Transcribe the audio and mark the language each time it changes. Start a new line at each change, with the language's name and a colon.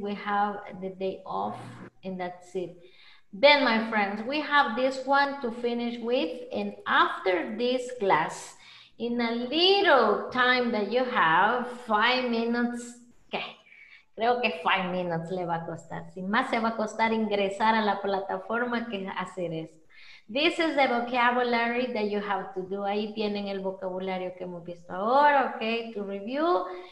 English: We have the day off, and that's it. Then, my friends, we have this one to finish with, and after this class, in a little time that you have, 5 minutes, okay.
Spanish: Creo que 5 minutes le va a costar. Si más se va a costar ingresar a la plataforma que hacer esto.
English: This is the vocabulary that you have to do.
Spanish: Ahí tienen el vocabulario que hemos visto ahora, okay, to review.